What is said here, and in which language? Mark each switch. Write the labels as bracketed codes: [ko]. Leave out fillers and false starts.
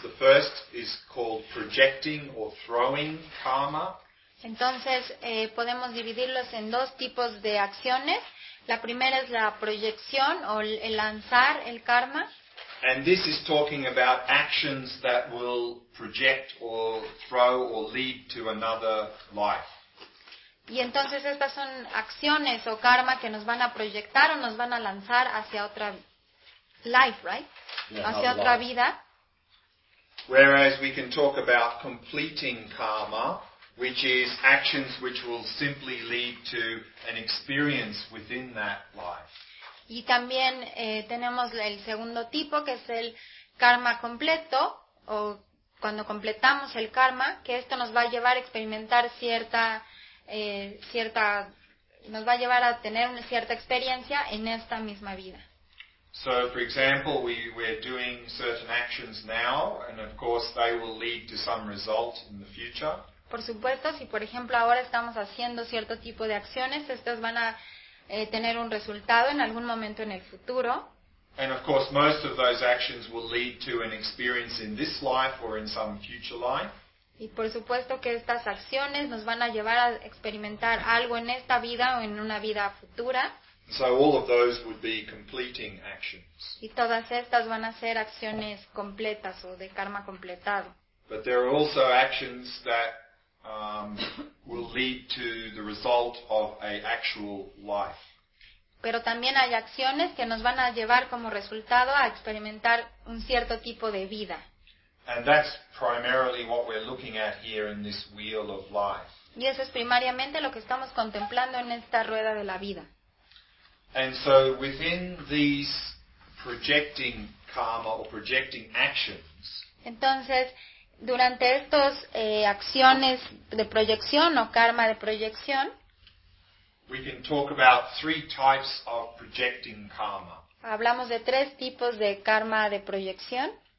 [en] The first is called projecting or throwing karma. [es] Entonces, podemos dividirlos en dos tipos de acciones. La primera es la proyección o el lanzar el karma. [en] And this is talking about actions that will project or throw or lead to another life. [es] Y entonces estas son acciones o karma que nos van a proyectar o nos van a lanzar hacia otra [en] life, right? Yeah, [es] hacia otra [en] life. [es] Vida. [en] Whereas we can talk about completing karma, which is actions which will simply lead to an experience within that life. [es] Y también tenemos el segundo tipo, que es el karma completo, o cuando completamos el karma, que esto nos va a llevar a experimentar nos va a llevar a tener una cierta experiencia en esta misma vida. [en] So, for example, we're doing certain actions now, and of course they will lead to some result in the future. [es] Por supuesto, si por ejemplo ahora estamos haciendo cierto tipo de acciones, estas van a tener un resultado en algún momento en el futuro. [en] And of course, most of those actions will lead to an experience in this life or in some future life. [es] Y por supuesto que estas acciones nos van a llevar a experimentar algo en esta vida o en una vida futura. [en] So all of those would be completing actions. [es] Y todas estas van a ser acciones completas o de karma completado. [en] But there are also actions that will lead to the result of a actual life. [es] Pero también hay acciones que nos van a llevar como resultado a experimentar un cierto tipo de vida. [en] And that's primarily what we're looking at here in this wheel of life. [es] Y eso es primariamente lo que estamos contemplando en esta rueda de la vida. [en] And so within these projecting karma or projecting actions. [es] Entonces, durante estos acciones de proyección o karma de proyección, [en] we can talk about three types of projecting karma. [es] Hablamos de tres tipos de karma de proyección.